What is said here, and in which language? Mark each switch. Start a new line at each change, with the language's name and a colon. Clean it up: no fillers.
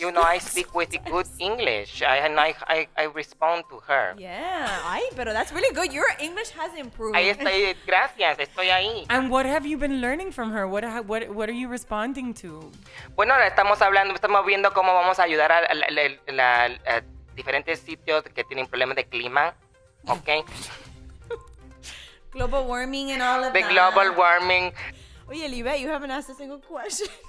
English: You know, I speak with good English, I respond to her. Yeah,
Spanish: ay, pero
English: that's really good. Your English has improved.
Spanish: Ahí estoy, gracias, estoy ahí.
English: And what have you been learning from her? What are you responding to?
Spanish: Bueno, estamos viendo cómo vamos a ayudar a diferentes sitios que tienen problemas de clima, okay?
English: Global warming and all of the that. The global warming. Oye, Libe, you haven't asked a single question.